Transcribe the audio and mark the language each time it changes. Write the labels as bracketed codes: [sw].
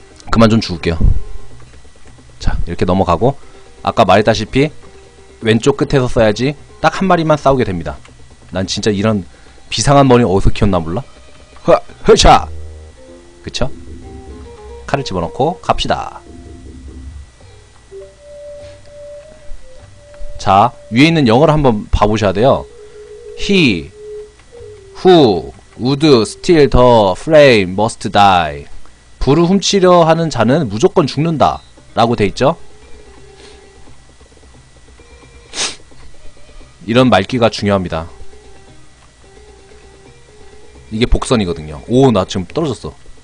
[ko] 그만 좀 죽을게요. 자, 이렇게 넘어가고, 아까 말했다시피 왼쪽 끝에서 써야지 딱 한 마리만 싸우게 됩니다. 난 진짜 이런 비상한 머리 어디서 키웠나 몰라. 허샤. 그쵸? 칼을 집어넣고 갑시다. 자, 위에 있는 영어를 한번 봐보셔야 돼요. [en] He, who, would, steal, the, flame, must die. [ko] 불을 훔치려 하는 자는 무조건 죽는다. 라고 돼있죠? 이런 말귀가 중요합니다. 이게 복선이거든요. 오, 나 지금 떨어졌어.